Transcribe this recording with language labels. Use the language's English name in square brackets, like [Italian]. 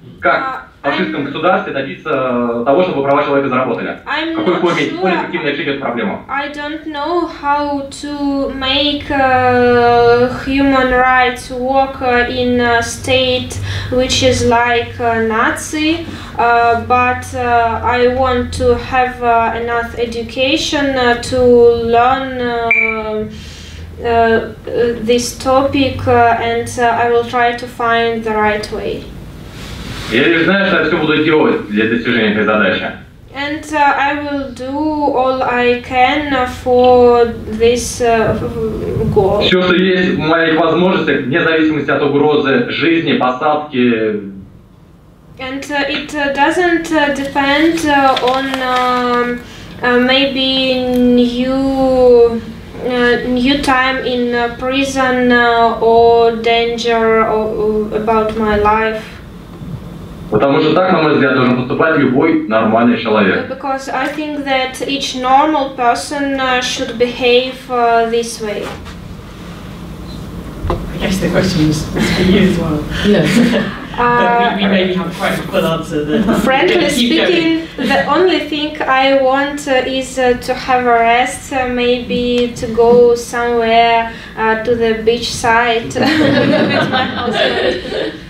[Russian] Как в фашистском государстве добиться того, чтобы права человека заработали? [English] I'm [Russian] в какой форме [English] sure. [Russian] более эффективно решить эту проблему? [English] I don't know how to make human rights work in a state which is like Nazi. But I want to have enough education to learn this topic, and I will try to find the right way. [Russian] Я лишь знаю, что я все буду делать для достижения этой задачи. [English] And I will do all I can for this goal. [Russian] Все, что есть в моих возможностях, вне зависимости от угрозы жизни, посадки. [English] And it doesn't depend on maybe new time in prison or danger about my life. [Russian] Потому что так, на мой взгляд, должен поступать любой нормальный человек. [English] Because I think that each normal person should behave this way. I guess the question is for you as well. Yes. We maybe have quite a full answer. Frankly speaking, the only thing I want is to have a rest, maybe to go somewhere to the beach side with my husband.